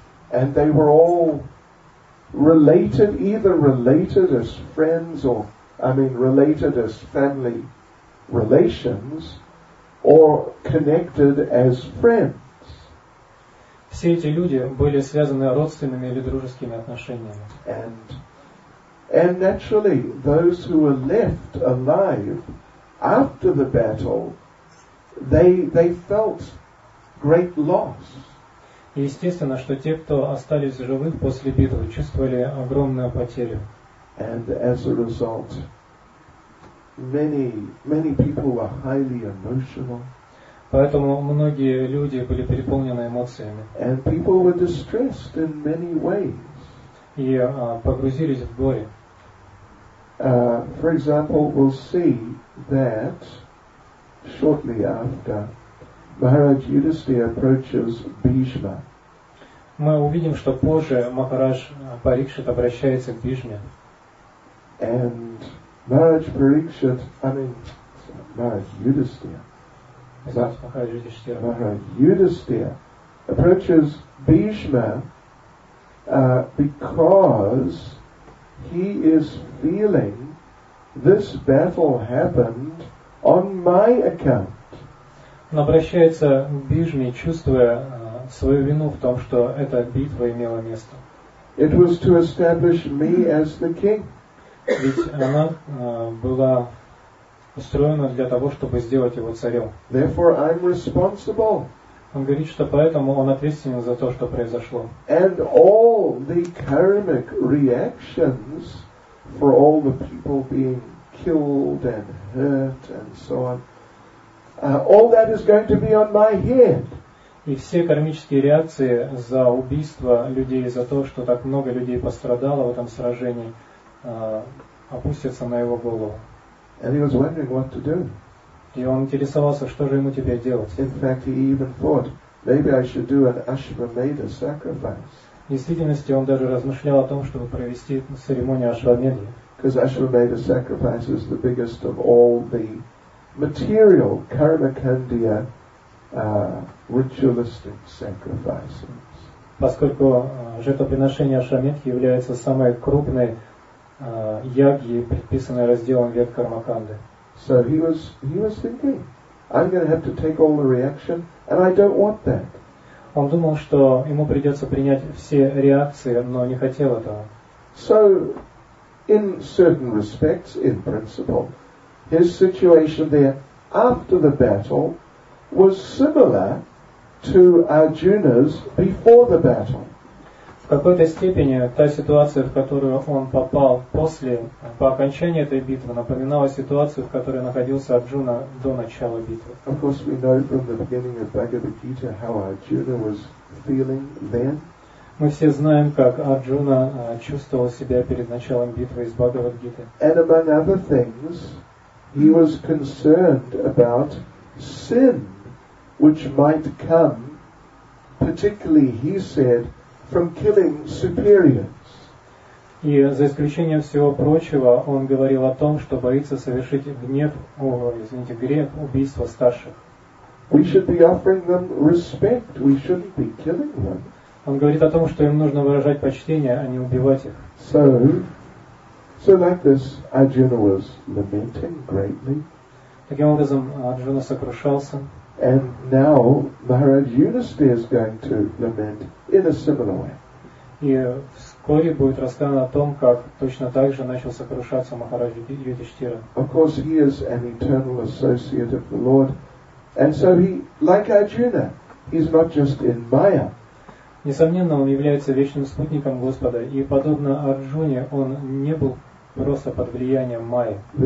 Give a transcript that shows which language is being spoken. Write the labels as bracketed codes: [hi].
[en] And they were all related, either related as friends or, I mean, related as family relations, or connected as friends. [ru] Все эти люди были связаны родственными или дружескими отношениями. [en] And naturally, those who were left alive after the battle, they felt great loss. [ru] Естественно, что те, кто остались живых после битвы, чувствовали огромную потерю. [en] And as a result, many people were highly emotional. [ru] Поэтому многие люди были переполнены эмоциями. [en] And people were distressed in many ways. [ru] И погрузились в горе. [en] For example, we'll see that shortly after Maharaj Yudhisthira approaches Bhishma. [ru] Мы увидим, что позже Махарадж Парикшит обращается к Бхишме. [en] And Maharaj Parikshit, I mean, Maharaj Yudhisthira. Maharaj Yudhisthira approaches Bhishma because he is feeling this battle happened on my account. [ru] Он обращается к Бхишме, чувствуя свою вину в том, что эта битва имела место. [en] It was to establish me as the king. [ru] Ведь она была устроена для того, чтобы сделать его царем. [en] Therefore, I'm responsible. [ru] Он говорит, что поэтому он ответственен за то, что произошло. [en] And all the karmic reactions for all the people being killed and hurt and so on, all that is going to be on my head. [ru] И все кармические реакции за убийство людей, за то, что так много людей пострадало в этом сражении, опустятся на его голову. [en] And he was wondering what to do. [ru] И он интересовался, что же ему теперь делать. [en] In fact, he even thought, maybe I should do an Ashwamedha sacrifice. [ru] В действительности он даже размышлял о том, чтобы провести церемонию Ашвамедхи. [en] Because Ashwamedha sacrifice is the biggest of all the material karmakandiya ritualistic sacrifices. [ru] Поскольку жертвоприношение Ашвамедхи является самой крупной ягьи, предписанной разделом вет кармаканды. [en] So he was thinking, I'm going to have to take all the reaction, and I don't want that. [ru] Он думал, что ему придется принять все реакции, но не хотел этого. [en] So, in certain respects, in principle, his situation there after the battle was similar to Arjuna's before the battle. [ru] В какой-то степени та ситуация, в которую он попал после, по окончании этой битвы, напоминала ситуацию, в которой находился Арджуна до начала битвы. [en] Of course, we know from the beginning of Bhagavad Gita how Arjuna was feeling then. [ru] Мы все знаем, как Арджуна чувствовал себя перед началом битвы с Бхагавад-гитой. [en] And among other things, he was concerned about sin, which might come, particularly, he said, from killing superiors. [ru] И за исключением всего прочего, он говорил о том, что боится совершить грех убийства старших. [en] We should be offering them respect. We shouldn't be killing them. [ru] Он говорит о том, что им нужно выражать почтение, а не убивать их. [en] So like this, Arjuna was lamenting greatly. [ru] Таким образом, Арджуна сокрушался. [en] And now Maharaj Yudhisthira is going to lament in a similar way. [ru] И вскоре будет рассказано о том, как точно так же начал сокрушаться Махарадж Юдхиштхира. [en] Of course, he is an eternal associate of the Lord. And so he, like Arjuna, he's not just in Maya. [ru] Несомненно, он является вечным спутником Господа, и, подобно Арджуне, он не был просто под влиянием Майи.